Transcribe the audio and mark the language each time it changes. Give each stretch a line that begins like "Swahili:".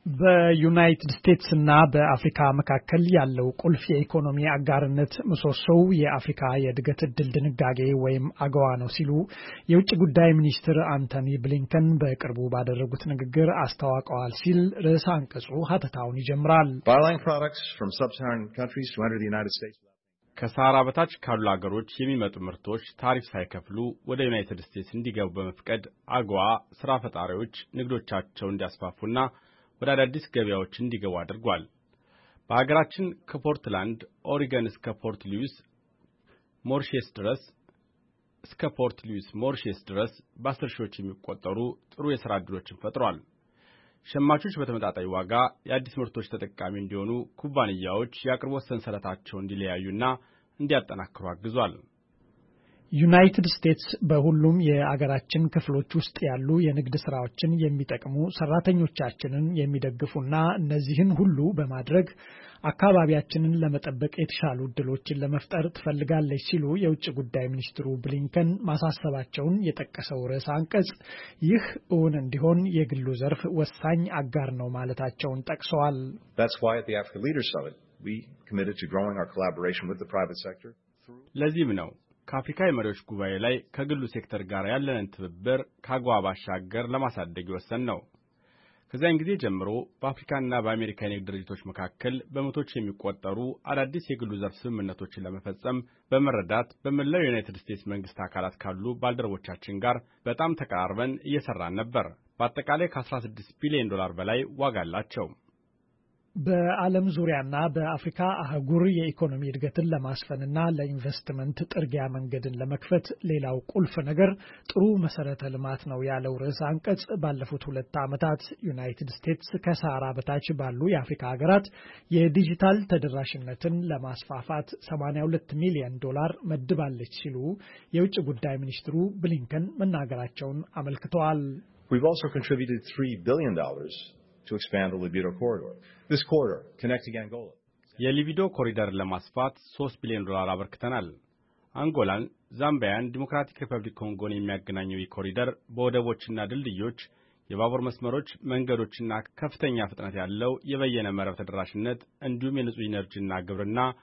Amharic: በዩናይትድ ስቴትስና በአፍሪካ መካከል ያለው ቁልፍ የኢኮኖሚ አጋርነት ምሰሶው የአፍሪካ የእድገት ድልድይ ንጋጌ ወይም አጎዋ ነው ሲሉ የውጭ ጉዳይ ሚኒስትር አንቶኒ ብሊንከን በቅርቡ ባደረጉት ንግግር አስተዋቀዋል ሲል ርዕሰ አንቀጹ ሀተታውን ይጀምራል።
English: Buying products from sub-Saharan countries to enter the United States
Amharic: ከሳራ በታች ካሉ አገሮች የሚመጡ ምርቶች ታሪፍ ሳይከፍሉ ወደ ዩናይትድ ስቴትስ እንዲገቡ በመፍቀድ አጓ ስራ ፈጣሪዎች ንግዶቻቸው እንዲያስፋፉና ወደ አዳዲስ ገበያዎች እንዲገቡ አድርጓል። በአገራችን ከፖርትላንድ ኦሪገን እስከ ፖርት ሉዊስ ሞርሼስ ድረስ በአስር ሺዎች የሚቆጠሩ ጥሩ የሥራ ዕድሎችን ፈጥሯል። ሸማቾች በተመጣጣኝ ዋጋ የአዲስ ምርቶች ተጠቃሚ እንዲሆኑ ኩባንያዎች የአቅርቦት ሰንሰለታቸው እንዲለያዩና እንዲያጠናክሩ አግዟል። ዩናይትድ ስቴትስ በሁሉም የአገራችን ክፍሎች ውስጥ ያሉ የንግድ ስራዎችን የሚጠቅሙ ሰራተኞቻችንን የሚደግፉና እነዚህን ሁሉ በማድረግ አካባቢያችንን ለመጠበቅ የተሻሉ ድሎችን ለመፍጠር ትፈልጋለች ሲሉ የውጭ ጉዳይ ሚኒስትሩ ብሊንከን ማሳሰባቸውን የጠቀሰው ርዕሰ አንቀጽ ይህ እውን እንዲሆን የግሉ ዘርፍ ወሳኝ አጋር ነው ማለታቸውን ጠቅሰዋል።
English: That's why at the African Leaders Summit we committed to growing our collaboration with the private sector.
Amharic: ለዚህም ነው ከአፍሪካ የመሪዎች ጉባኤ ላይ ከግሉ ሴክተር ጋር ያለንን ትብብር ከአጓ ባሻገር ለማሳደግ ወሰንነው። ከዚያን ጊዜ ጀምሮ በአፍሪካና በአሜሪካ የንግድ ድርጅቶች መካከል በመቶች የሚቆጠሩ አዳዲስ የግሉ ዘርፍ ስምምነቶችን ለመፈጸም በመረዳት በመላው ዩናይትድ ስቴትስ መንግስት አካላት ካሉ ባልደረቦቻችን ጋር በጣም ተቀራርበን እየሰራን ነበር። በአጠቃላይ ከ16 ቢሊዮን ዶላር በላይ ዋጋ አላቸው። በዓለም ዙሪያና በአፍሪካ አህጉር የኢኮኖሚ እድገትን ለማስፈንና ለኢንቨስትመንት ጥርጊያ መንገድን ለመክፈት ሌላው ቁልፍ ነገር ጥሩ መሰረተ ልማት ነው ያለው ርዕሰ አንቀጽ ባለፉት 2 ዓመታት ዩናይትድ ስቴትስ ከሳራ በታች ባሉ የአፍሪካ ሀገራት የዲጂታል ተደራሽነትን ለማስፋፋት 82 ሚሊዮን ዶላር መድባለች ሲሉ የውጭ ጉዳይ ሚኒስትሩ ብሊንከን መናገራቸውን አመልክተዋል።
English: We've also contributed $3 billion to expand the Libido corridor. This corridor connecting Angola.
Amharic: የሊቢዶ ኮሪደር ለማስፋት 3 ቢሊዮን ዶላር አበርክተናል። አንጎላን፣ ዛምቢያን፣ ዲሞክራቲክ ሪፐብሊክ ኮንጎን የሚያገናኘው ኮሪደር በወደቦችና ድልድዮች፣ የባቡር መስመሮች፣ መንገዶችና ከፍተኛ ፍጥነት ያለው የበየነ መረብ ተደራሽነት እንዲሁም የንጹህ ኢነርጂና ግብርና